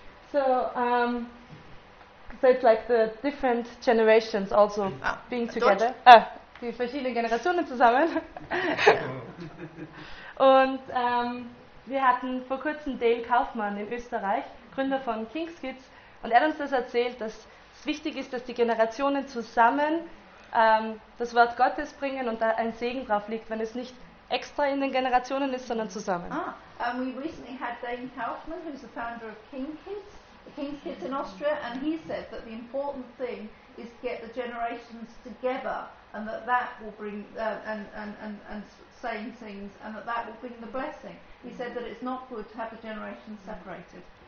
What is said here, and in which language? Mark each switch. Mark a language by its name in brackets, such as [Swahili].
[English] So it's like the different generations also being together. [German] Die verschiedenen Generationen zusammen. Und wir hatten vor kurzem Dale Kaufmann in Österreich, Gründer von King's Kids, und er hat uns das erzählt, dass es wichtig ist, dass die Generationen zusammen das Wort Gottes bringen und da ein Segen drauf liegt, wenn es nicht extra in den Generationen ist, sondern zusammen. [English] We recently had Dale Kaufmann, who's the founder of King's Kids in Austria, and he said that the important thing is to get the generations together. And that will bring and saying things, and that will bring the blessing. He said that it's not good to have a generation separated.